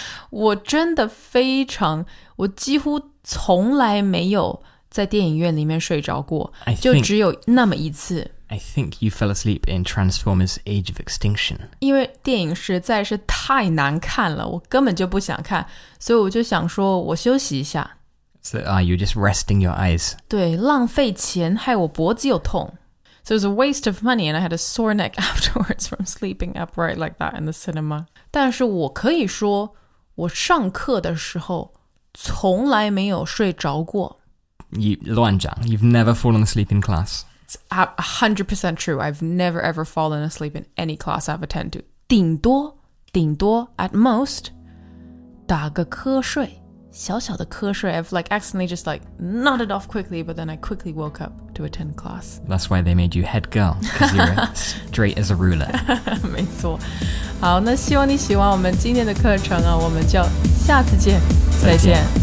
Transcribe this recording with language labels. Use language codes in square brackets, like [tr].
[zh] 我真的非常，我几乎从来没有在电影院里面睡着过，就只有那么一次。 [en] I think you fell asleep in Transformers Age of Extinction. [zh] 因为电影实在是太难看了，我根本就不想看，所以我就想说我休息一下。 [en] So, you're just resting your eyes. [zh] 对，浪费钱，害我脖子又痛。 [en] So it was a waste of money and I had a sore neck afterwards from sleeping upright like that in the cinema. [zh] 但是我可以说我上课的时候从来没有睡着过。你乱讲, [en] you've never fallen asleep in class. It's 100% true. I've never ever fallen asleep in any class I've attended. [zh] 顶多, [en] at most, [zh] 打个瞌睡,小小的瞌睡。 [en] I've like accidentally just like nodded off quickly, but then I quickly woke up. To attend class. That's why they made you head girl, because you're straight as a ruler. [zh] 没错。好，那希望你喜欢我们今天的课程啊，我们就下次见，再见。